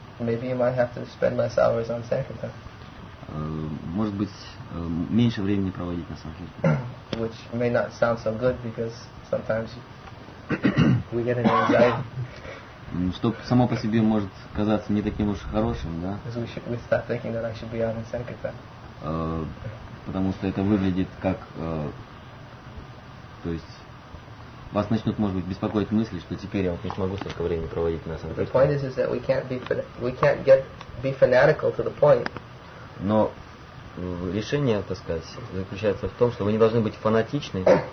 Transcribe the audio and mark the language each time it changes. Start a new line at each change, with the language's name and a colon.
English: Maybe you might have to spend less hours on sankirtan.
Russian: Может быть, меньше времени проводить на санкхирте.
English: Which may not sound so good, because sometimes we get an anxiety.
Russian: Что само по себе может казаться не таким уж хорошим, да?
English: We start thinking that I should be out in sankirtan.
Russian: Потому что это выглядит как, то есть. Вас начнут, может быть, беспокоить мысли, что теперь я вот не смогу столько времени проводить на санкхирте.
English: The point is that we can't be fanatical to the point.
Russian: Но решение, так сказать, заключается в том, что вы не должны быть фанатичны.